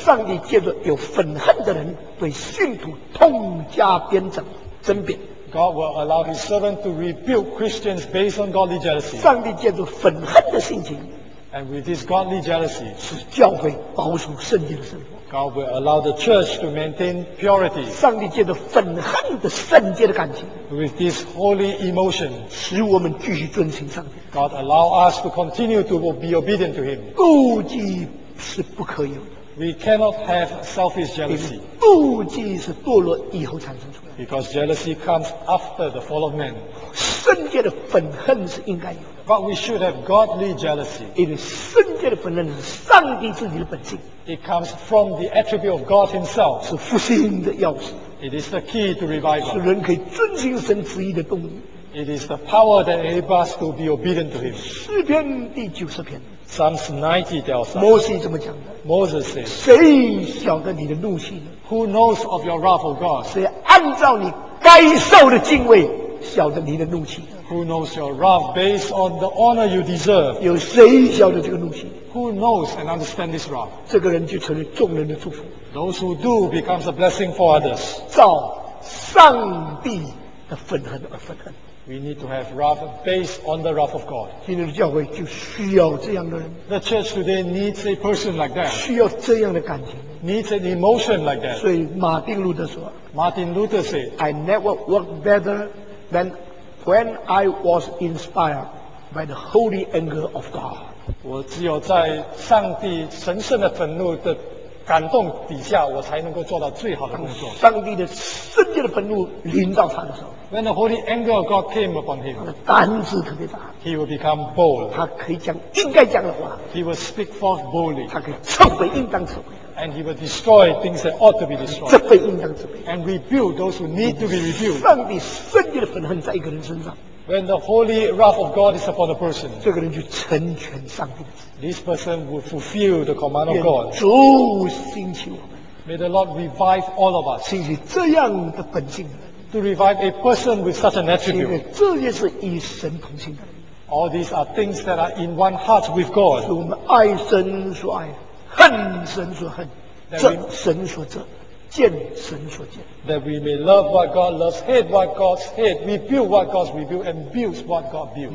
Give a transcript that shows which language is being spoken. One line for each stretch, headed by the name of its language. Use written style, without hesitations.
Chinese: 上帝借着有愤恨的人对信徒痛加鞭责、争辩。
English: God will allow His servant to rebuke Christians based on godly jealousy.
Chinese: 上帝借着愤恨的心情。
English: And with this godly jealousy,
Chinese: 使教会保守圣洁的生活。
English: God will allow the church to maintain purity.
Chinese: 上帝借着愤恨的圣洁的感情。
English: With this holy emotion,
Chinese: 使我们继续遵行上帝。
English: God allow us to continue to be obedient to Him.
Chinese: 妒忌是不可以的。
English: We cannot have selfish jealousy.
Chinese: 妒忌是堕落以后产生出来的。
English: Because jealousy comes after the fall of man.
Chinese: 圣洁的愤恨是应该有的。
English: But we should have godly jealousy. It is
Chinese: 圣洁的愤恨是上帝自己的本性。
English: It comes from the attribute of God Himself.
Chinese: 是复兴的钥匙。
English: It is the key to revival.
Chinese: 是人可以遵行神旨意的动力。
English: It is the power that enables us to be obedient to Him.
Chinese: 诗篇第九十篇。
English: Psalms 90 tells us.
Chinese: 摩西怎么讲的
English: ？Moses says.
Chinese: 谁晓得你的怒气呢
English: ？Who knows of your wrath, O God?
Chinese: 谁按照你该受的敬畏晓得你的怒气？
English: Who knows your wrath based on the honor you deserve?
Chinese: 有谁晓得这个怒气
English: ？Who knows and understand this wrath?
Chinese: 这个人就成为众人的祝福。
English: Those who do becomes a blessing for others.
Chinese: 照上帝的愤恨而愤恨。
English: We need to have wrath based on the wrath of God.
Chinese: 今天的教会就需要这样的人。
English: The church today needs a person like that.
Chinese: 需要这样的感情。
English: Needs an emotion like that.
Chinese: 所以马丁路德说。
English: Martin Luther said, I never worked better than when I was inspired by the holy anger of God.
Chinese: 我只有在上帝神圣的愤怒的感动底下，我才能够做到最好的工作。上帝的圣洁的愤怒临到他的时候。
English: When the holy anger of God came upon him,
Chinese: 他的胆子特别大。
English: He will become bold.
Chinese: 他可以讲应该讲的话。
English: He will speak forth boldly.
Chinese: 他可以摧毁应当摧毁。
English: And he will destroy things that ought to be destroyed.
Chinese: 责备应当责备。
English: And rebuild those who need to be rebuilt.
Chinese: 上帝圣洁的愤恨在一个人身上。
English: When the holy wrath of God is upon a person,
Chinese: 这个人就成全上帝。
English: This person will fulfill the command of God.
Chinese: 主兴起我们。
English: May the Lord revive all of us.
Chinese: 兴起这样的本性。
English: To revive a person with such an attribute.
Chinese: 这也是与神同心的。
English: All these are things that are in one heart with God.
Chinese: 是我们爱神所爱，恨神所恨，责神所责，见神所见。
English: That we may love what God loves, hate what God hates, rebuild what God rebuilds, and build what God builds.